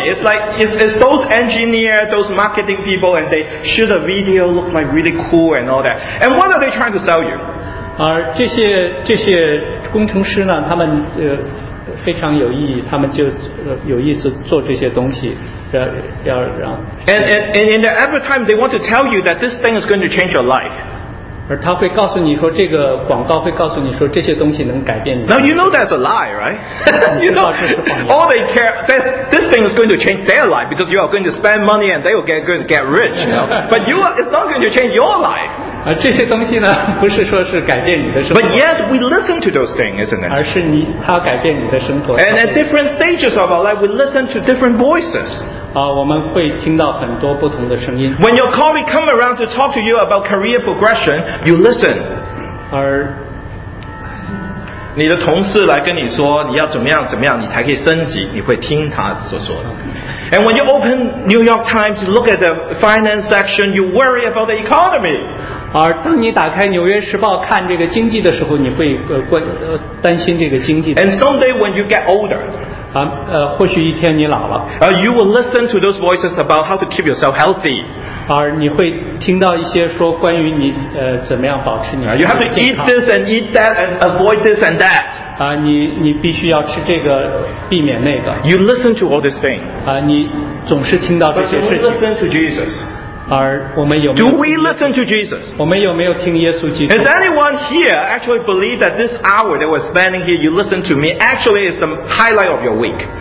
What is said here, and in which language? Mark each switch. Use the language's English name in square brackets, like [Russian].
[English] It's like it's those engineers, those marketing people, and they shoot a video look like really cool and all that. And what are they trying to sell you? [Chinese] 这些工程师呢，他们非常有意义，他们就有意思做这些东西，要让。 [English] And in the every time they want to tell you that this thing is going to change your life. [Chinese] 而他会告诉你说，这个广告会告诉你说，这些东西能改变你。 [English] Now you know that's a lie, right? You know, all they care that this thing is going to change their life because you are going to spend money and they will get rich. You know? But it's not going to change your life. [Chinese] 这些东西呢，不是说是改变你的生活。 [English] But yet we listen to those things, isn't it? [Chinese] 而是你它改变你的生活。 [English] And at different stages of our life, we listen to different voices. [Chinese] 我们会听到很多不同的声音。 [English] When your colleague come around to talk to you about career progression, you listen. [Chinese] 而你的同事来跟你说你要怎么样怎么样你才可以升级你会听他所说的 [English] And when you open New York Times look at the finance section you worry about the economy [Chinese] 而当你打开纽约时报看这个经济的时候你会担心这个经济 [English] And someday when you get older [Chinese] 或许一天你老了 [English] You will listen to those voices about how to keep yourself healthy [Chinese] 你会听到一些说关于你怎么样保持你的健康 [English] You have to eat this and eat that and avoid this and that [Chinese] 你必须要吃这个避免那个 [English] You listen to all these things [Chinese] 你总是听到这些事情 [English] But do we listen to Jesus? [Chinese] 而我们有没有 [English] Do we listen to Jesus? [Chinese] 我们有没有听耶稣基督 [English] Is anyone here actually believe that this hour that we're spending here you listen to me actually is the highlight of your week?